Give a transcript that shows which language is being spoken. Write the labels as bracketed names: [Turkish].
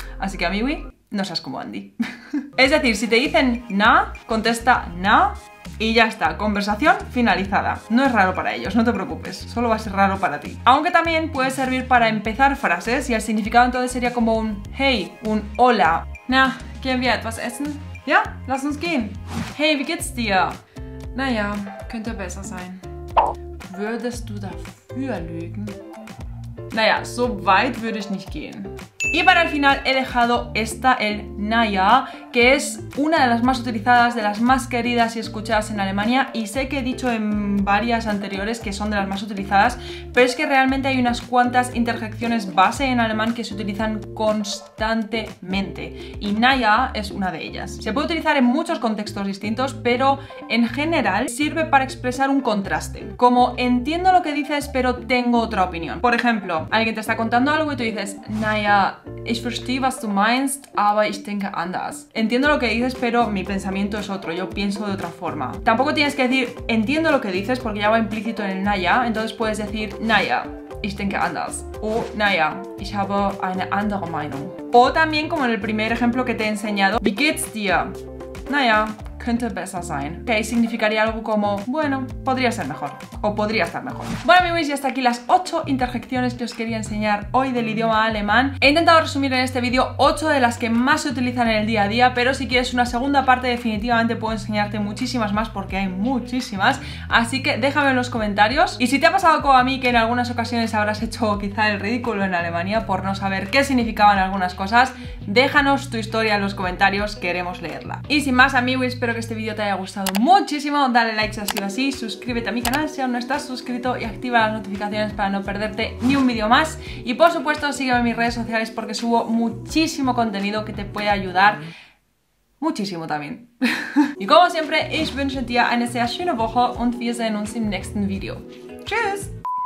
[Spanish] Así que amigui, no seas como Andy. Es decir, si te dicen na, contesta na y ya está, conversación finalizada. No es raro para ellos, no te preocupes, solo va a ser raro para ti. Aunque también puede servir para empezar frases y el significado entonces sería como un hey, un hola. [German] Na, ¿quieren wir etwas essen? Ja, lass uns gehen. Hey, wie geht's dir? Naja, könnte besser sein. Würdest du dafür lügen? Naja, so weit würde ich nicht gehen. [Spanish] Y para el final he dejado esta, el naya, que es una de las más utilizadas, de las más queridas y escuchadas en Alemania, y sé que he dicho en varias anteriores que son de las más utilizadas, pero es que realmente hay unas cuantas interjecciones base en alemán que se utilizan constantemente, y naya es una de ellas. Se puede utilizar en muchos contextos distintos, pero en general sirve para expresar un contraste, como entiendo lo que dices pero tengo otra opinión. Por ejemplo, alguien te está contando algo y tú dices naya, [German] ich verstehe was du meinst, aber ich denke anders. [Spanish] Entiendo lo que dices, pero mi pensamiento es otro, yo pienso de otra forma. Tampoco tienes que decir entiendo lo que dices porque ya va implícito en el naya, entonces puedes decir naya, [German] ich denke anders, [Spanish] o naya, [German] ich habe eine andere Meinung. [Spanish] O también como en el primer ejemplo que te he enseñado, [German] wie geht's dir? Naya, könnte besser sein. [Spanish] Que ahí significaría algo como, bueno, podría ser mejor. O podría estar mejor. Bueno, amigos, y hasta aquí las 8 interjecciones que os quería enseñar hoy del idioma alemán. He intentado resumir en este vídeo 8 de las que más se utilizan en el día a día, pero si quieres una segunda parte, definitivamente puedo enseñarte muchísimas más, porque hay muchísimas. Así que déjame en los comentarios. Y si te ha pasado como a mí, que en algunas ocasiones habrás hecho quizá el ridículo en Alemania por no saber qué significaban algunas cosas, déjanos tu historia en los comentarios, queremos leerla. Y sin más, amigos, espero que este vídeo te haya gustado muchísimo. Dale like si ha sido así, suscríbete a mi canal si aún no estás suscrito y activa las notificaciones para no perderte ni un vídeo más. Y por supuesto, sígueme en mis redes sociales porque subo muchísimo contenido que te puede ayudar muchísimo también. Y como siempre, [German] ich wünsche dir eine sehr schöne Woche und wir sehen uns im nächsten Video. Tschüss!